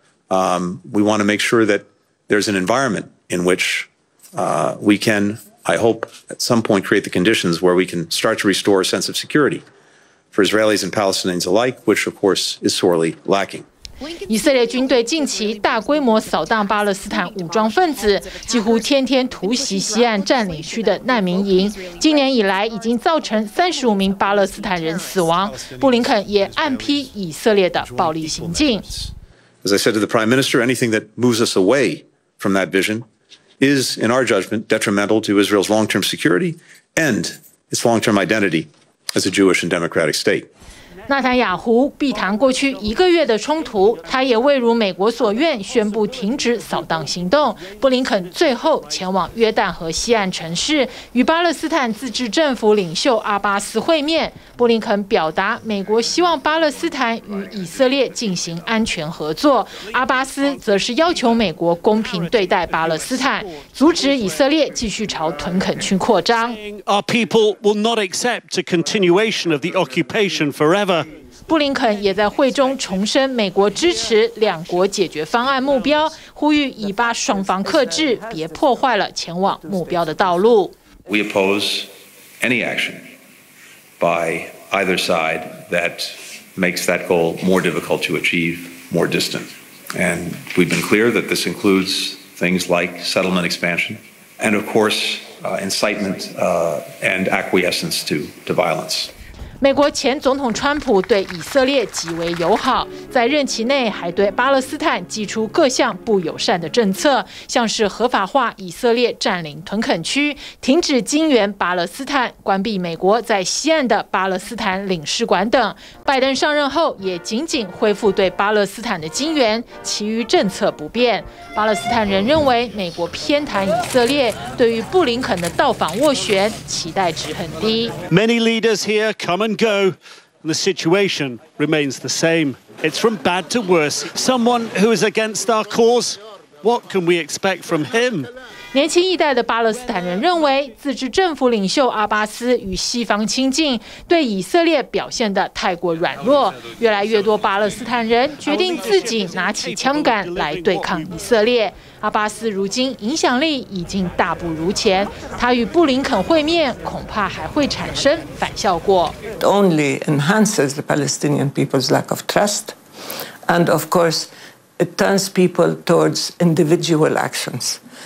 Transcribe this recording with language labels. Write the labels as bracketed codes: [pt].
[en] We want to make sure that there's an environment in which we can, I hope, at some point create the conditions where we can start to restore a sense of security for Israelis and Palestinians alike, which of course is sorely lacking. [zh] 以色列军队近期大规模扫荡巴勒斯坦武装分子，几乎天天突袭西岸占领区的难民营，今年以来已经造成35名巴勒斯坦人死亡。布林肯也暗批以色列的暴力行径。 [en] As I said to the Prime Minister, anything that moves us away from that vision is, in our judgment, detrimental to Israel's long-term security and its long-term identity as a Jewish and democratic state. [zh] 纳坦雅胡避谈过去一个月的冲突，他也未如美国所愿宣布停止扫荡行动。布林肯最后前往约旦河西岸城市与巴勒斯坦自治政府领袖阿巴斯会面，布林肯表达美国希望巴勒斯坦与以色列进行安全合作，阿巴斯则是要求美国公平对待巴勒斯坦，阻止以色列继续朝屯垦区扩张。 [en] Our people will not accept a continuation of the occupation forever。 [zh] 布林肯也在会中重申美国支持两国解决方案目标，呼吁以巴双方克制，别破坏了前往目标的道路。 [en] We oppose any action by either side that makes that goal more difficult to achieve, more distant. And we've been clear that this includes things like settlement expansion and of course, incitement, and acquiescence to violence. [zh] 美国前总统川普对以色列极为友好，在任期内还对巴勒斯坦祭出各项不友善的政策，像是合法化以色列占领屯垦区、停止金援巴勒斯坦、关闭美国在西岸的巴勒斯坦领事馆等。拜登上任后也仅仅恢复对巴勒斯坦的金援，其余政策不变。巴勒斯坦人认为美国偏袒以色列，对于布林肯的到访斡旋期待值很低。 [en] Many leaders here come and go, and the situation remains the same. It's from bad to worse. Someone who is against our cause, what can we expect from him? [zh] 年轻一代的巴勒斯坦人认为，自治政府领袖阿巴斯与西方亲近，对以色列表现得太过软弱。越来越多巴勒斯坦人决定自己拿起枪杆来对抗以色列。阿巴斯如今影响力已经大不如前，他与布林肯会面恐怕还会产生反效果。 [en] It only enhances the Palestinian people's lack of trust, and of course, it turns people towards individual actions.